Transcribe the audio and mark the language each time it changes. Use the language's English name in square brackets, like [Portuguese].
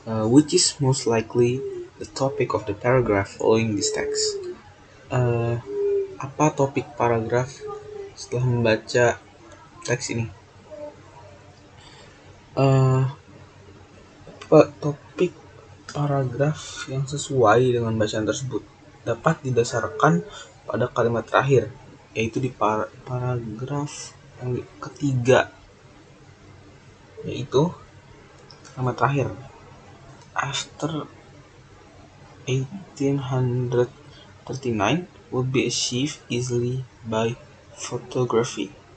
[English] Which is most likely the topic of the paragraph following this text? [Indonesian] Apa topik paragraf setelah membaca teks ini? Topik paragraf yang sesuai dengan bacaan tersebut dapat didasarkan pada kalimat terakhir, yaitu di paragraf yang ketiga, yaitu kalimat terakhir. [English] After 1839 will be achieved easily by photography.